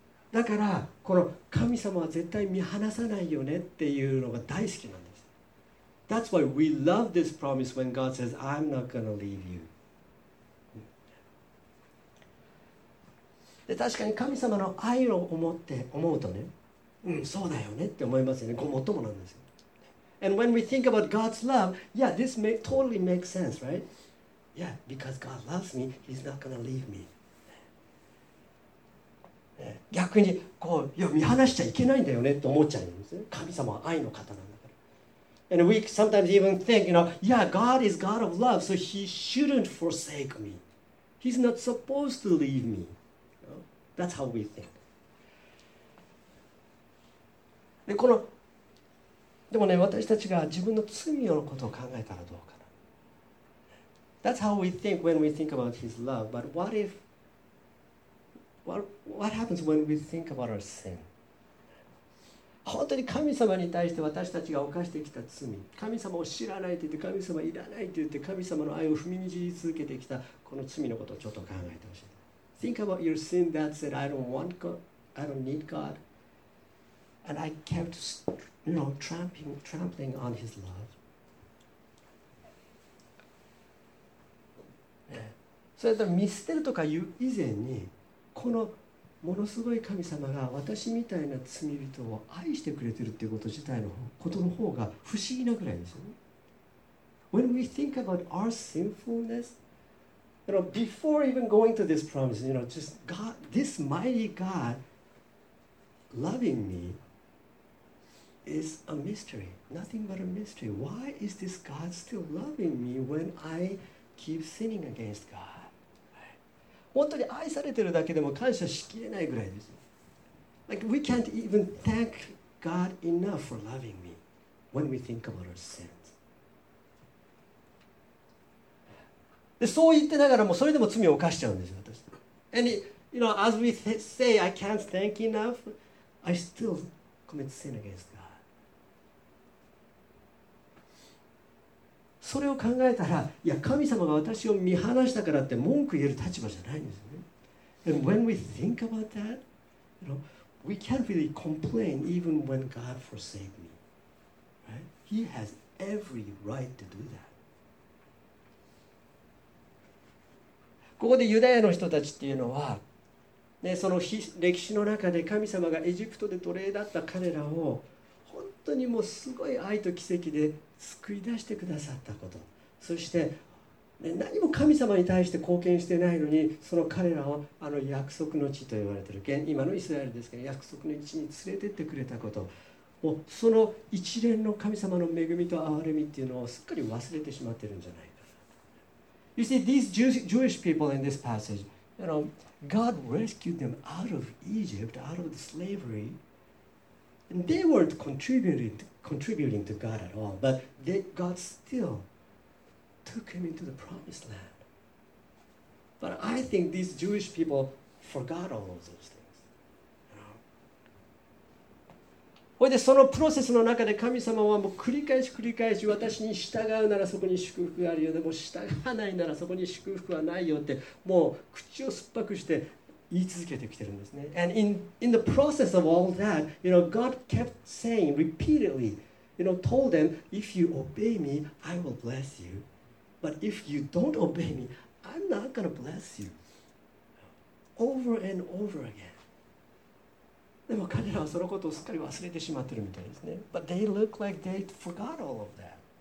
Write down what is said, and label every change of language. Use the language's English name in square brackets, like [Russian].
[Japanese] だからこの神様は絶対見放さないよねっていうのが大好きなんです。 [English] That's why we love this promise when God says, I'm not going to leave you. [Japanese] で確かに神様の愛を思って思うとね、うん、そうだよねって思いますよね。ごもっともなんですよ。 [English] And when we think about God's love, yeah, this totally makes sense, right? Yeah, because God loves me, He's not going to leave me. [Japanese] 逆にこういや見放しちゃいけないんだよねと思っちゃうんですね。神様は愛の方なんだから。 [English] And we sometimes even think, you know, yeah, God is God of love, so He shouldn't forsake me. He's not supposed to leave me. That's how we think. [Japanese] で、この、でもね、私たちが自分の罪のことを考えたらどうかな。 [English] That's how we think when we think about His love. But what ifWhat happens when we think about our sin? [Japanese] 本当に神様に対して私たちが犯してきた罪、神様を知らないと言って、神様いらないと言って、神様の愛を踏みにじり続けてきたこの罪のことをちょっと考えてほしい。 [English] Think about your sin that said, I don't want God, I don't need God, and I kept, you know, trampling on His love. [Japanese] それと見捨てるとかいう以前に、このものすごい神様が私みたいな罪人を愛してくれてるっていうこと自体のことの方が不思議なぐらいですよね。 [English] When we think about our sinfulness, you know, before even going to this promise, you know, just God, this mighty God loving me is a mystery, nothing but a mystery. Why is this God still loving me when I keep sinning against God? [Japanese] 本当に愛されてるだけでも感謝しきれないぐらいです。 [English] Like, we can't even thank God enough for loving me when we think about our sins. [Japanese] で、そう言ってながらもそれでも罪を犯しちゃうんですよ、私。 [English] And, you know, as we say, I can't thank enough, I still commit sin against God. [Japanese] それを考えたら、いや、神様が私を見放したからって文句言える立場じゃないんですよ。 [English] And when we think about that, you know, we can't really complain even when God forsake me. Right? He has every right to do that. [Japanese] ここでユダヤの人たちっていうのは、ね、その歴史の中で神様がエジプトで奴隷だった彼らを本当にもうすごい愛と奇跡で救い出してくださったこと、そして何も神様に対して貢献してないのに、その彼らをあの約束の地と言われている、今のイスラエルですけど約束の地に連れてってくれたこと、もうその一連の神様の恵みと憐れみっていうのをすっかり忘れてしまってるんじゃないか。 [English] You see, these Jewish people in this passage, you know, God rescued them out of Egypt, out of the slavery, and they weren't contributing to God at all, but God stillTook him into the promised land. But I think these Jewish people forgot all of those things. You know? [Japanese] そのプロセスの中で神様はもう繰り返し繰り返し、私に従うならそこに祝福があるよ、でも従わないならそこに祝福はないよってもう口を酸っぱくして言い続けてきてるんですね。 [English] And in the process of all that, you know, God kept saying repeatedly, you know, told them, if you obey me, I will bless you. But if you don't obey me, I'm not going to bless you. Over and over again. [Japanese] でも彼らはそのことをすっかり忘れてしまってるみたいですね。 [English] But they look like they forgot all of that.